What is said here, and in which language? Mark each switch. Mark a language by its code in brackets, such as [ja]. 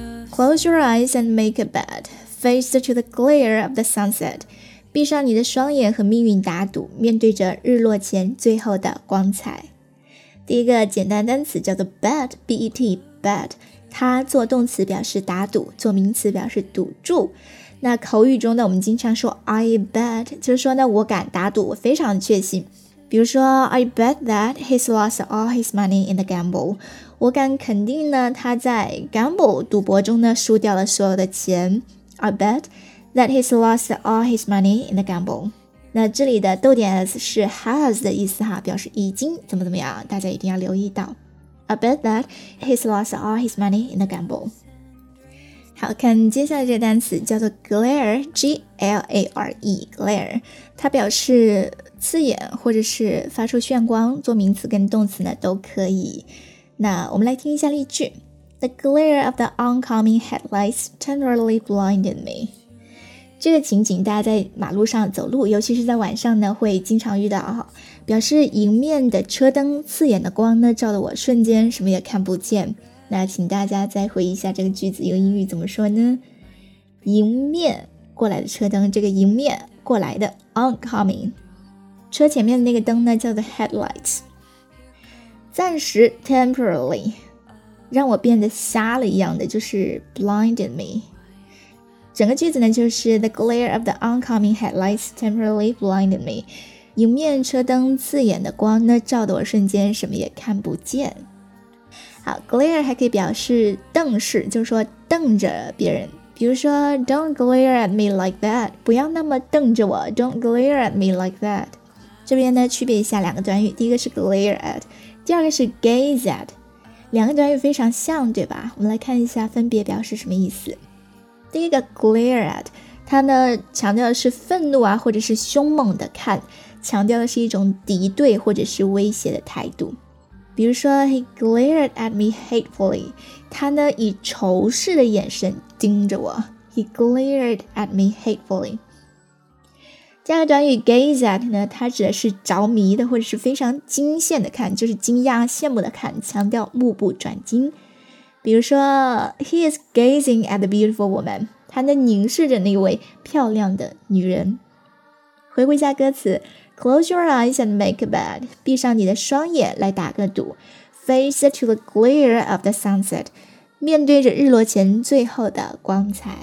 [en] Close your eyes and make a bet. Face to the glare of the sunset. [zh] 闭上你的双眼和命运打赌，面对着日落前最后的光彩。第一个简单单词叫做 bet, B-E-T, bet. 它做动词表示打赌，做名词表示赌注。那口语中呢，我们经常说 I bet, 就是说呢，我敢打赌，我非常确信。比如说 [en] I bet that he's lost all his money in the gamble， [zh] 我敢肯定呢他在 gamble 赌博中呢输掉了所有的钱。 [en] I bet that he's lost all his money in the gamble。 [zh] 那这里的逗点 s 是 has 的意思哈，表示已经怎么怎么样，大家一定要留意到。 [en] I bet that he's lost all his money in the gamble。 [zh] 好，看接下来这个单词叫做 glare， G-L-A-R-E， glare， 它表示刺眼或者是发出炫光，做名词跟动词呢都可以。那我们来听一下例句。 [en] The glare of the oncoming headlights temporarily blinded me. [zh] 这个情景大家在马路上走路，尤其是在晚上呢会经常遇到，表示迎面的车灯刺眼的光呢照得我瞬间什么也看不见。那请大家再回忆一下这个句子用英语怎么说呢？迎面过来的车灯，这个迎面过来的 oncoming车前面的那个灯呢叫做 headlights， 暂时 temporarily 让我变得瞎了一样的，就是 blinded me，整个句子呢就是 [en] The glare of the oncoming headlights temporarily blinded me， [zh] 迎面车灯刺眼的光呢照得我瞬间什么也看不见。好， glare 还可以表示瞪视，就是说瞪着别人，比如说 [en] Don't glare at me like that， [zh] 不要那么瞪着我， Don't glare at me like that。这边呢区别一下两个短语，第一个是 glare at， 第二个是 gaze at， 两个短语非常像对吧，我们来看一下分别表示什么意思。第一个 glare at， 它呢强调的是愤怒啊或者是凶猛的看，强调的是一种敌对或者是威胁的态度。比如说 [en] He glared at me hatefully， [zh] 他呢以仇视的眼神盯着我。 [en] He glared at me hatefully。 [zh] 第二个短语 gaze at 呢，它指的是着迷的或者是非常惊羡的看，就是惊讶羡慕的看，强调目不转睛。比如说 [en] He is gazing at the beautiful woman， [zh] 他呢凝视着那位漂亮的女人。回顾一下歌词， [en] Close your eyes and make a bet， [zh] 闭上你的双眼来打个赌。 [en] Face to the glare of the sunset， [zh] 面对着日落前最后的光彩。